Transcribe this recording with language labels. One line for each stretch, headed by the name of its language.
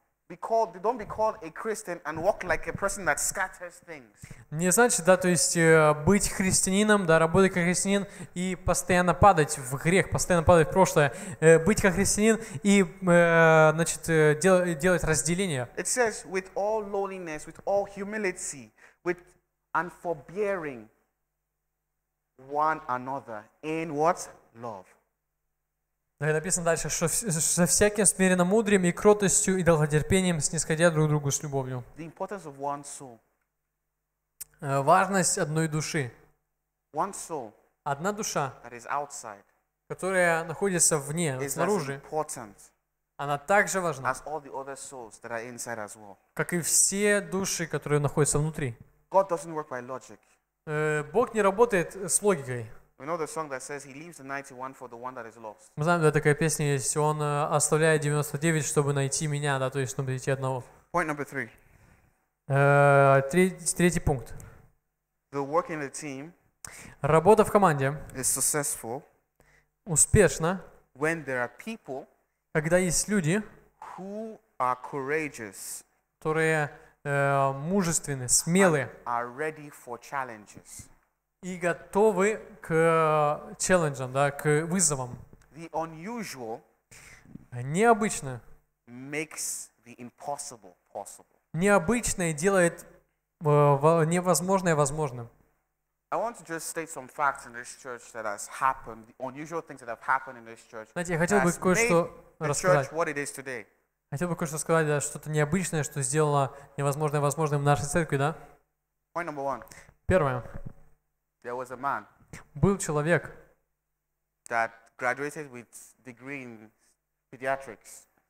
English: Don't be called a Christian and walk like a person that scatters things.
Russian: Не значит, да, то есть быть христианином, да, работать как христианин и постоянно падать в грех, постоянно падать в прошлое, быть как христианин и, значит, делать разделение.
English: It says with all lowliness, with all humility, with and forbearing one another in what love.
Russian: Да, и написано дальше, что со всяким смиренно мудрым и кротостью и долготерпением снисходя друг другу с любовью.
English: The importance of one soul.
Russian: Важность одной души.
English: One soul.
Russian: Одна душа,
English: that is outside,
Russian: которая находится вне,
English: is
Russian: снаружи,
English: important,
Russian: она также важна,
English: as all the other souls that are inside as well.
Russian: Как и все души, которые находятся внутри.
English: God doesn't work by logic.
Russian: Бог не работает с логикой.
English: We know the song that says he leaves the 91 for the one that is lost.
Russian: Мы знаем, да, такая песня есть. Он оставляет 99, чтобы найти меня, да, то есть, чтобы найти одного.
English: Point number three.
Russian: Третий пункт.
English: The work in the team.
Russian: Работа в команде.
English: Is successful.
Russian: Успешно.
English: When there are people.
Russian: Когда есть люди.
English: Who are courageous.
Russian: Которые мужественны, смелые.
English: Are ready for challenges.
Russian: И готовы к челленджам, да, к вызовам.
English: The unusual
Russian: необычно
English: makes the impossible possible.
Russian: Необычное делает невозможное возможным.
English: I want to just state some facts in this church that has happened, the unusual things that have happened in this church.
Russian: Знаете, я хотел бы кое-что рассказать.
English: What it is today.
Russian: Хотел бы кое-что сказать, да, что-то необычное, что сделало невозможное возможным в нашей церкви, да?
English: Point number one.
Russian: Первое.
English: There was a man.
Russian: Был человек.
English: That graduated with degree in pediatrics.